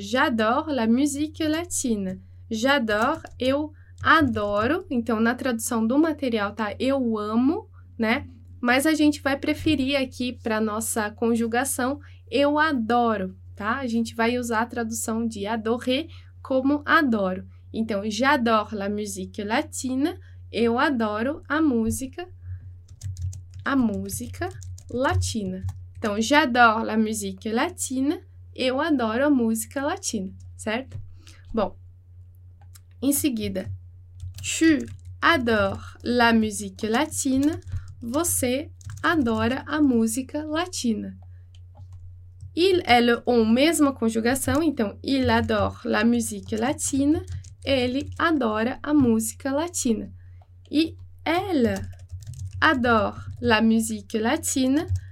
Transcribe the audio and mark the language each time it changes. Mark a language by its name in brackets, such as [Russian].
[French] J'adore la musique latine. J'adore, [Portuguese] eu adoro. Então, na tradução do material, tá? Eu amo, né? Mas a gente vai preferir aqui para nossa conjugação, eu adoro, tá? A gente vai usar a tradução de adorer como adoro. Então, [French] j'adore la musique latine. [Portuguese] Eu adoro a música latina. Então, [French] j'adore la musique latine. [Portuguese] Eu adoro a música latina, certo? Bom, em seguida, [French] tu adores la musique latine. [Portuguese] Você adora a música latina. [French] Il, elle, on, [Portuguese] mesma conjugação. Então, [French] il adore la musique latine. [Portuguese] Ele adora a música latina. [French] E elle adore la musique latine.